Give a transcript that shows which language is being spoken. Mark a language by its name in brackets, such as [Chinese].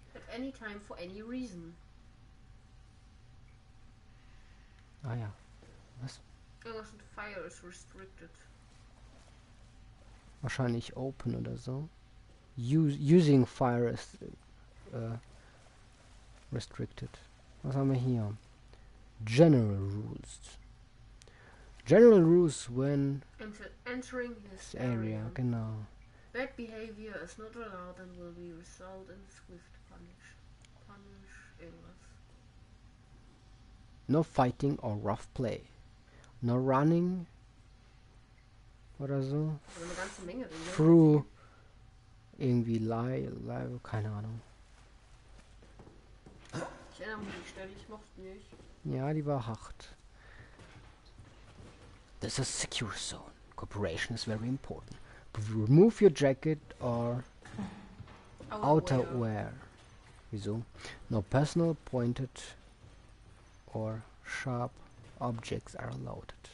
[English] At any time for any reason. [German] Ah ja. Was? Irgendwas mit [English] Fire is restricted. [German] Wahrscheinlich open oder so. [English] Using fire is restricted. [German] Was haben wir hier? [English] General rules. General rules when entering this area. [German] Genau. [English] Bad behavior is not allowed and will be resolved in swift punish. No fighting or rough play. No running [German] oder so. Eine ganze Menge drin, [English] through ja. [German] Irgendwie live, keine Ahnung. Ich erinnere mich an die Stelle, ich mochte nicht. Ja, die war hart. [English] This is a secure zone. Cooperation is very important. Remove your jacket or outerwear. [German] Wieso? [English] No personal pointed or sharp objects are allowed.